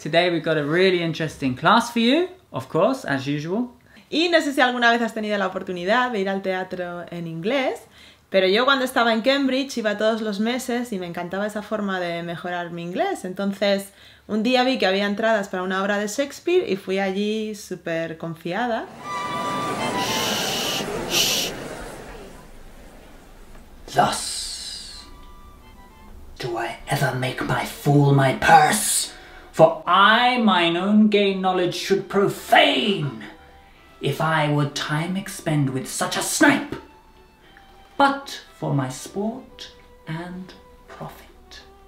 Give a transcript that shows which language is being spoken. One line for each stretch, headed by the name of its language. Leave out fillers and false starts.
English: Today we've got a really interesting class for you, of course, as usual.
Spanish: Y no sé si alguna vez has tenido la oportunidad de ir al teatro en inglés, pero yo cuando estaba en Cambridge iba todos los meses y me encantaba esa forma de mejorar mi inglés. Entonces, un día vi que había entradas para una obra de Shakespeare y fui allí súper confiada.
English: Thus do I ever make my fool my purse, for I mine own gain knowledge should profane if I would time expend with such a snipe, but for my sport and profit.